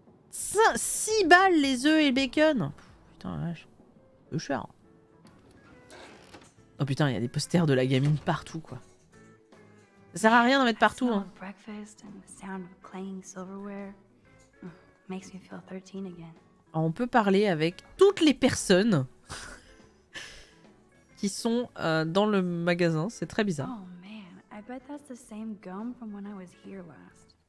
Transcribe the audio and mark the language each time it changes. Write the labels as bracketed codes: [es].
[fr] 6 balles les œufs et le bacon. Putain, la vache. Peu cher. Oh putain, il y a des posters de la gamine partout, quoi. Ça sert à rien d'en mettre partout. Hein. [en] Breakfast and the sound of clanging silverware makes me feel 13 again. [fr] On peut parler avec toutes les personnes qui sont dans le magasin. C'est très bizarre. [en] Oh man, I bet that's the same gum from when I was here last.